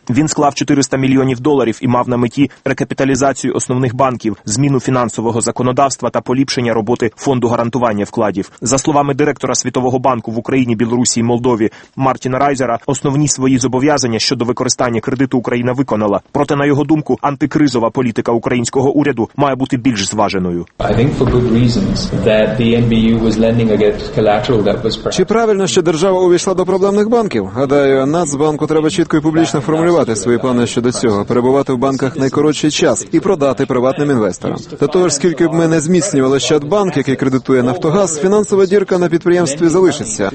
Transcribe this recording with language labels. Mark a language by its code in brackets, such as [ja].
[uk] Він склав 400 мільйонів доларів і мав на меті рекапіталізацію основних банків, зміну фінансового законодавства та поліпшення роботи фонду гарантування вкладів. За словами директора Світового банку в Україні, Білорусі і Молдові Мартіна Райзера, основні свої зобов'язання щодо використання кредиту Україна виконала. Проте, на його думку, антикризова політика українського уряду має бути більш зваженою. [en] I think for good reasons that the NBU was lending against collateral that was [uk] Чи правильно, що держава увійшла до проблемних банків? Гадаю, Нацбанку треба чітко і публічно формулювати свої плани щодо цього, перебувати в банках найкоротший час і продати приватним інвесторам. До того ж, скільки б ми не зміцнювали Щадбанк, який кредитує Нафтогаз, фінансова дірка на підприємстві залишиться.